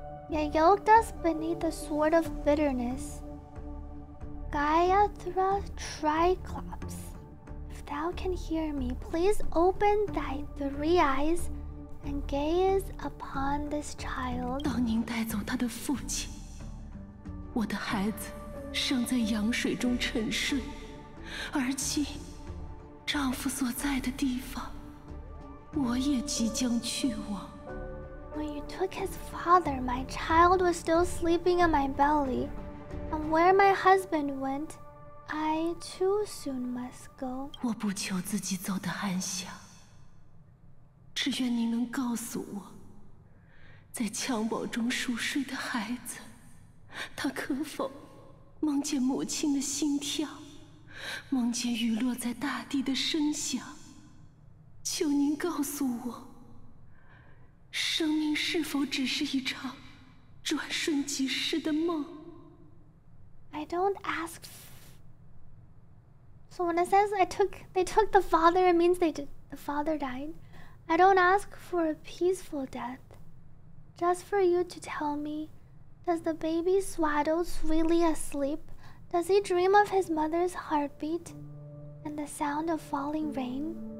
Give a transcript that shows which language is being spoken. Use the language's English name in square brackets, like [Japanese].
[English] You yoked us beneath the sword of bitterness. Gayathra Triclops, if thou can hear me, please open thy three eyes and gaze upon this child. [Chinese] 当您带走他的父亲，我的孩子尚在羊水中沉睡，而今丈夫所在的地方，我也即将去往。 [English] When you took his father, my child was still sleeping in my belly. And where my husband went, I too soon must go. [Chinese] 我不求自己走得安详，只愿你能告诉我，在襁褓中熟睡的孩子，他可否梦见母亲的心跳，梦见雨落在大地的声响？求您告诉我，生命是否只是一场转瞬即逝的梦？ [English] I don't ask. So when it says they took the father, it means the father died. I don't ask for a peaceful death. Just for you to tell me, does the baby swaddled sweetly asleep? Does he dream of his mother's heartbeat and the sound of falling rain?